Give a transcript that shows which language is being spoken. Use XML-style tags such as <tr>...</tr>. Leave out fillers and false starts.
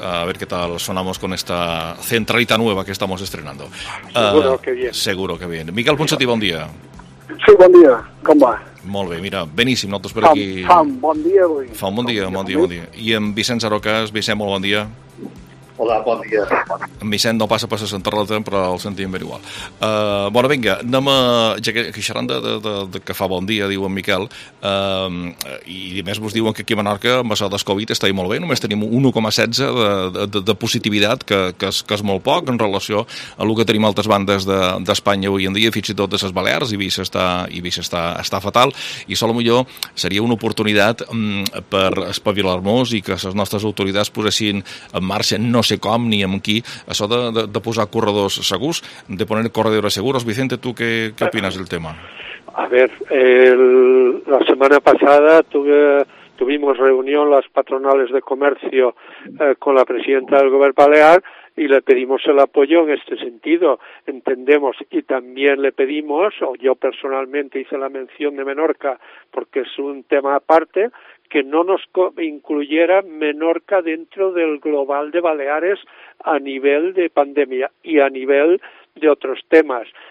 <es>A ver qué tal sonamos con esta centralita nueva que estamos estrenando. Seguro que bien.</es> <ca>Miquel Ponsatí, bon dia. Sí, bon dia. Com va? Molt bé, mira, beníssim, nosaltres per aquí. Fa un bon dia. I en Vicenç Aroques, Vicenç, molt bon dia. Hola, bon dia. En Vicenç no passa per la centralita, però el sentim ben igual. Bueno, vinga, anem a... Ja que xerrant de que fa bon dia, diu en Miquel, i a més vos diuen que aquí a Menorca, amb això del Covid, està molt bé, només tenim 1,16 de positivitat, que és molt poc en relació a el que tenim altres bandes d'Espanya avui en dia, fins i tot de les Balears, i Eivissa està fatal, i sol millor seria una oportunitat per espavilar-nos i que les nostres autoritats posessin en marxa, no sé com ni amb qui, això de posar corredors segurs,</ca> <es>de poner corredores segures.</es> <ca>Vicente, tu què opines del tema?</ca> <es>A ver, la semana pasada tuvimos reunión las patronales de comercio con la presidenta del Gobierno Balear y le pedimos el apoyo en este sentido. Entendemos y también le pedimos, o yo personalmente hice la mención de Menorca porque es un tema aparte, que no nos incluyera Menorca dentro del global de Baleares a nivel de pandemia y a nivel de otros temas.</es>